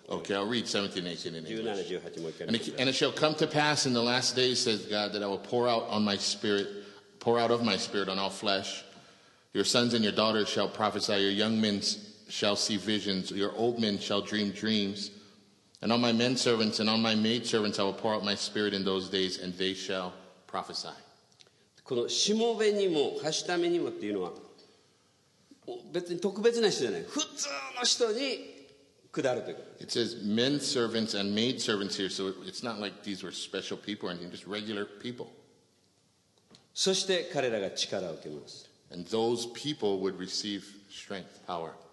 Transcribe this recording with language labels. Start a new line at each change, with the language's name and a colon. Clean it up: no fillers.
English: Okay, I'll read 17, 18 in English. And it shall come to pass in the last days, says God, that I will pour out of my spirit on all flesh. Your sons and your daughters shall prophesy, your young men shall see visions, your old men shall dream dreams. And on my men servants and on my maid servants I will pour out my spirit in those days, and they shall prophesy.
Japanese: このしもべにもはしためにもっていうのは別に特別な人じゃない。普通の人に下るというか。
English: It says men servants and maid servants here, so it's not like these were special people or anything, just regular people.
Japanese: そして彼らが力を受けます。
English: And those people would receive strength, power.